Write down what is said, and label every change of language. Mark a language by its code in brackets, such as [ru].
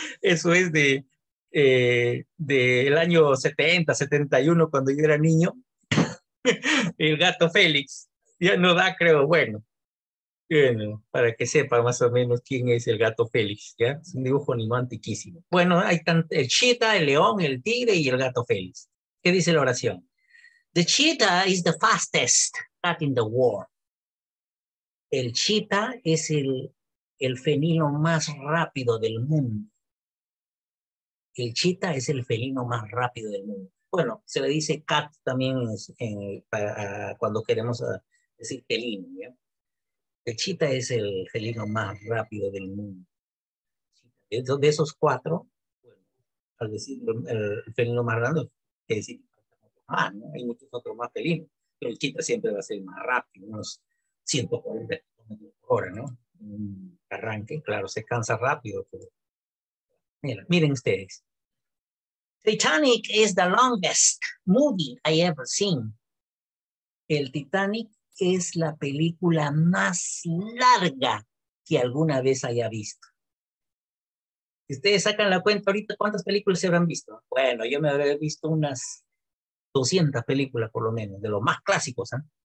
[es] Eso es del año 70, 71, cuando yo era niño. El gato Félix. Ya no da, creo, bueno. Bueno, para que sepa más o menos quién es el gato Félix, ¿ya? Es un dibujo animado antiquísimo. Bueno, hay el cheetah, el león, el tigre y el gato Félix. ¿Qué dice la oración? [en] The cheetah is the fastest cat in the world. [es] El cheetah es el felino más rápido del mundo. El cheetah es el felino más rápido del mundo. Bueno, se le dice cat también cuando queremos decir felino, ¿ya? El cheetah es el felino más rápido del mundo. De esos cuatro, bueno, al decir el felino más grande, es decir, ¿no? Hay muchos otros más felinos, pero el cheetah siempre va a ser más rápido, unos 140 kilómetros por hora, ¿no? Arranque, claro, se cansa rápido. Pero... Mira, miren ustedes. [en] Titanic is the longest movie I ever seen. [es] El Titanic es la película más larga que alguna vez haya visto. Si ustedes sacan la cuenta ahorita, ¿cuántas películas se habrán visto? Bueno, yo me habré visto unas 200 películas por lo menos, de los más clásicos, ¿eh?